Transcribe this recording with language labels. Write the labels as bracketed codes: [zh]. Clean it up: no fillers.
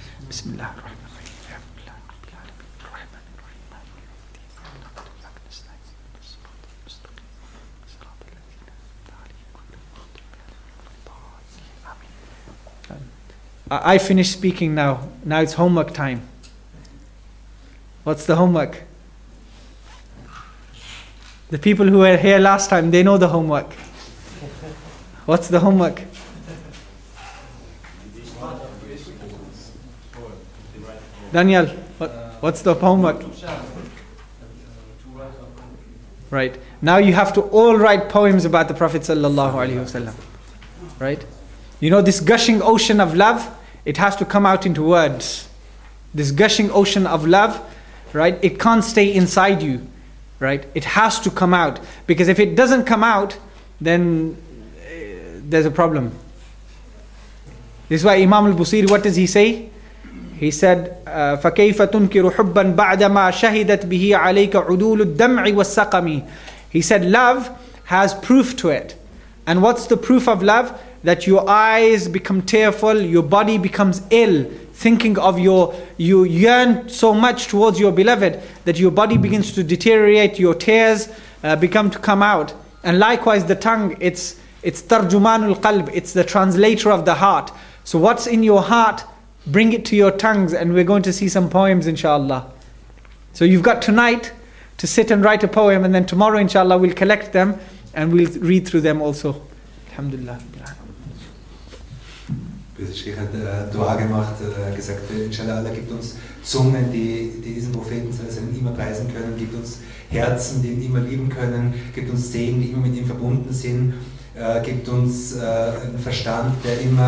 [ar] بسم الله الرحمن الرحيم الحمد لله رب العالمين الرحمن الرحيم مالك يوم الدين إياك نعبد وإياك نستعين صراط الذين أنعمت عليهم غير المغضوب عليهم ولا الضالين آمين. [en] I finished speaking now. Now it's homework time. What's the homework? The people who were here last time, they know the homework. What's the homework? Daniel, what's the homework? Right. Now you have to all write poems about the Prophet sallallahu alaihi wasallam. Right? You know this gushing ocean of love? It has to come out into words. This gushing ocean of love, right? It can't stay inside you. Right? It has to come out. Because if it doesn't come out, then there's a problem. This is why Imam al-Busiri, what does he say? He said, [ar] فَكَيْفَ تُنْكِرُ حُبًّا بَعْدَمَا شَهِدَتْ بِهِ عَلَيْكَ عُدُولُ الدَّمْعِ وَالسَّقَمِ. [en] He said, love has proof to it. And what's the proof of love? That your eyes become tearful, your body becomes ill, thinking of your, you yearn so much towards your beloved, that your body begins to deteriorate, your tears become to come out. And likewise the tongue, it's tarjumanul qalb, it's the translator of the heart. So what's in your heart, bring it to your tongues, and we're going to see some poems inshallah. So you've got tonight to sit and write a poem, and then tomorrow inshallah we'll collect them and we'll read through them also. Alhamdulillah. [de] Der Sheikh hat Dua gemacht, gesagt, inshallah, Allah gibt uns Zungen, die diesen Propheten immer preisen können, gibt uns Herzen, die ihn immer lieben können, gibt uns Seelen, die immer mit ihm verbunden sind, gibt uns einen Verstand, der